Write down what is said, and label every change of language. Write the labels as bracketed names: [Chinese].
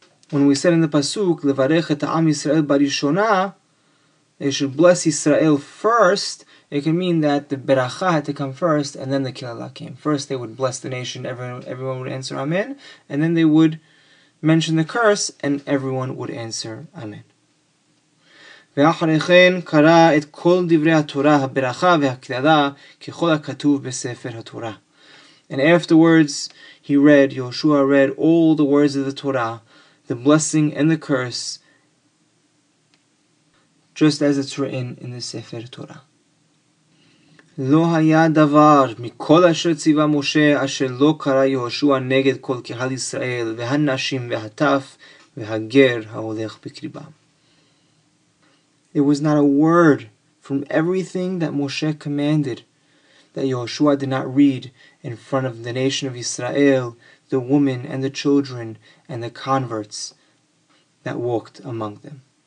[English] When we said in the Pasuk, Levarech et ha'am Yisrael barishona, they should bless Israel first, it can mean that the Beracha had to come first, and then the Kilalah came. First they would bless the nation, everyone would answer Amen, and then they would mention the curse, and everyone would answer Amen. [Hebrew] ואחריכן קרא את כל דברי התורה, הברכה והקללה, ככל הכתוב בספר התורה. [English] And afterwards, he read, Yehoshua read all the words of the Torah, the blessing and the curse, just as it's written in the Sefer Torah. [Hebrew] לא היה דבר מכל אשר ציווה משה אשר לא קרא יהושע נגד כל קהל ישראל והנשים והטף והגר ההולך בקריבם. [English] There was not a word from everything that Moshe commanded that Yehoshua did not read in front of the nation of Israel, the women and the children and the converts that walked among them.